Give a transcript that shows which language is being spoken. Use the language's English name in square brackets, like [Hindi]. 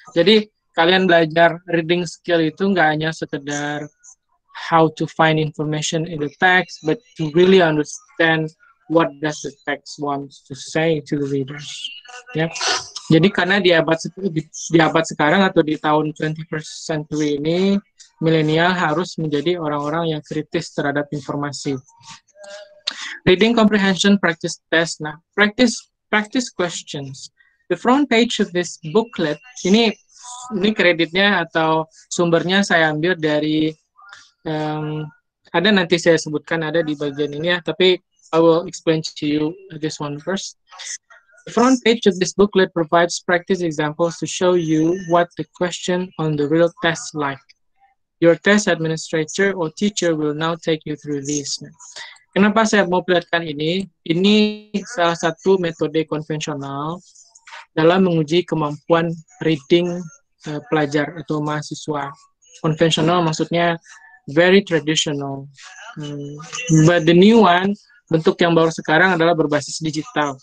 [Indonesian] Jadi kalian belajar reading skill itu nggak hanya sekedar [English] how to find information in the text, but to really understand what does the text wants to say to the readers. [Indonesian] Ya. Jadi karena di abad sekarang atau di tahun 21st century ini, milenial harus menjadi orang-orang yang kritis terhadap informasi. [English] Reading comprehension practice test. Nah, practice questions. The front page of this booklet, [Indonesian] ini kreditnya atau sumbernya saya ambil dari, ada nanti saya sebutkan ada di bagian ini ya, tapi [English] I will explain to you this one first. The front page of this booklet provides practice examples to show you what the question on the real test like. Your test administrator or teacher will now take you through this. [Indonesian] Kenapa saya mau perlihatkan ini? Ini salah satu metode konvensional dalam menguji kemampuan reading pelajar atau mahasiswa. Konvensional maksudnya [English] very traditional. But the new one, [Indonesian] bentuk yang baru sekarang adalah berbasis digital.